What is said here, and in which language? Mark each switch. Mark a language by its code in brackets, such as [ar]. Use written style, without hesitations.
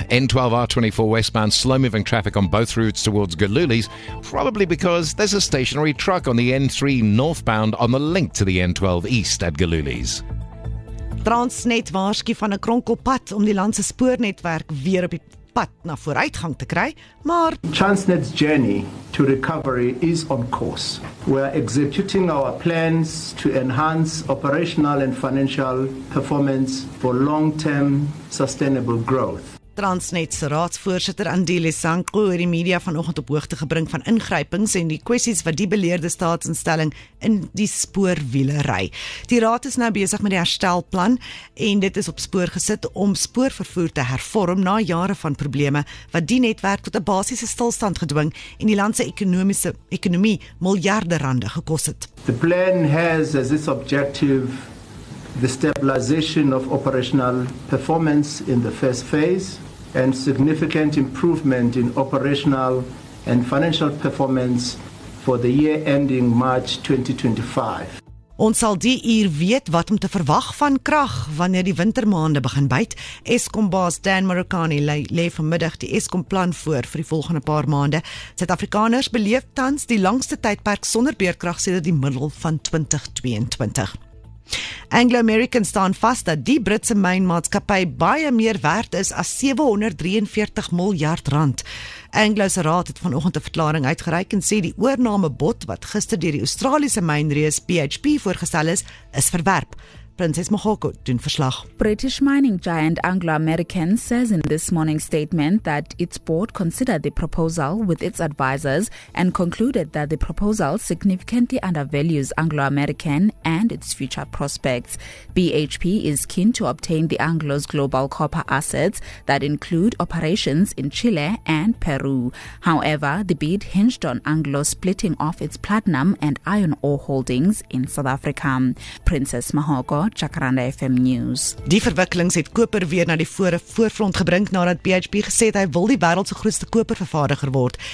[en] N12R24 westbound, slow moving traffic on both routes towards Gululies, probably because there's a stationary truck on the N3 northbound on the link to the N12 east at Gululies. [af] Transnet waarskie van 'n kronkelpad om die land se spoornetwerk weer op die pad na vooruitgang te kry, maar [en] Transnet's journey to recovery is on course. We are executing our plans to enhance operational and financial performance for long-term sustainable growth. [af] Transnet se raadsvoorsitter Andile Sanko het die media vanoggend op hoogte gebring van ingrypings en die kwessies wat die beleerde staatsinstelling in die spoorwiele ry. Die raad is nou besig met die herstelplan en dit is op spoor gesit om spoorvervoer te hervorm na jare van probleme wat die netwerk tot 'n basiese stilstand gedwing en die land se ekonomie miljarde rande gekos het. [en] The plan has as its objective the stabilization of operational performance in the first phase and significant improvement in operational and financial performance for the year ending March 2025. [af] Ons sal die uur weet wat om te verwag van krag wanneer die wintermaande begin byt. Eskom baas Dan Marokani lê vanmiddag die Eskom plan voor vir die volgende paar maande. Suid-Afrikaners beleef tans die langste tydperk sonder beerkrag sedert die middel van 2022. Anglo-American staan vast dat die Britse mynmaatskappy baie meer werd is as 743 miljard rand. Anglo's raad het vanoggend 'n verklaring uitgereik en sê die oornamebod wat gister deur die Australiese mynreus BHP voorgestel is, is verwerp. Prinses Mogoko doen verslag. [en] British mining giant Anglo-American says in this morning's statement that its board considered the proposal with its advisors and concluded that the proposal significantly undervalues Anglo-American and its future prospects. BHP is keen to obtain the Anglo's global copper assets that include operations in Chile and Peru. However, the bid hinged on Anglo splitting off its platinum and iron ore holdings in South Africa. Princess Mahoko, Chakranda FM News. [af] Die verwikkelings het koper weer na die voorfront gebring nadat BHP gesê het hy wil die wêreld se grootste kopervervaardiger word.